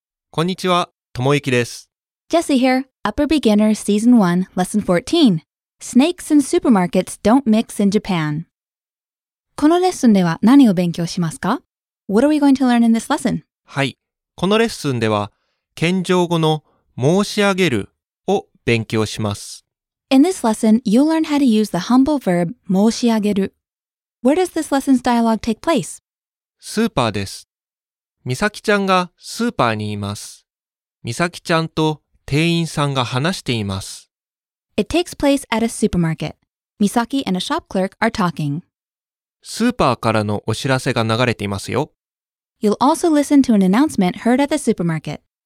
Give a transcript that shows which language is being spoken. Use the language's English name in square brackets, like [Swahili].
[Japanese] こんにちは、ともゆきです。 [English] Jesse here. Upper Beginner Season 1 Lesson 14 Snakes and Supermarkets Don't Mix in Japan. [Japanese] このレッスンでは何を勉強しますか？ [English] What are we going to learn in this lesson? [Japanese] はい、このレッスンでは謙譲語の申し上げるを勉強します。 [English] In this lesson, you'll learn how to use the humble verb 申し上げる。 Where does this lesson's dialogue take place? [Japanese] スーパーです。美咲ちゃんがスーパーにいます。美咲ちゃんと店員さんが話しています。 [English] It takes place at a supermarket. Misaki and a shop clerk are talking. [Japanese] スーパーからのお知らせが流れていますよ。 [English] You'll also listen to an announcement heard at the supermarket.